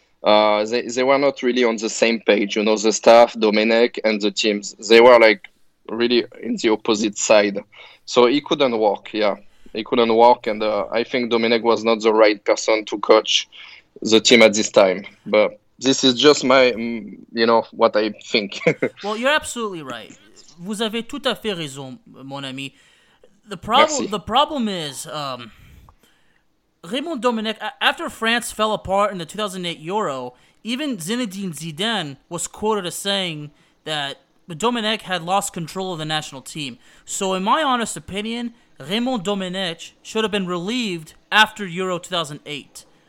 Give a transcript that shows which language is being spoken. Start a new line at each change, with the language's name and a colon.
English: They were not really on the same page, you know, the staff, Domenech, and the teams. They were, like, really in the opposite side. So it couldn't work, yeah. It couldn't work, and I think Domenech was not the right person to coach the team at this time. But this is just my, you know, what I think. Well, you're absolutely right.
French: Vous avez tout à fait raison, mon ami.
English: The problem is, Raymond Domenech, after France fell apart in the 2008 Euro, even Zinedine Zidane was quoted as saying that Domenech had lost control of the national team. So in my honest opinion, Raymond Domenech should have been relieved after Euro 2008.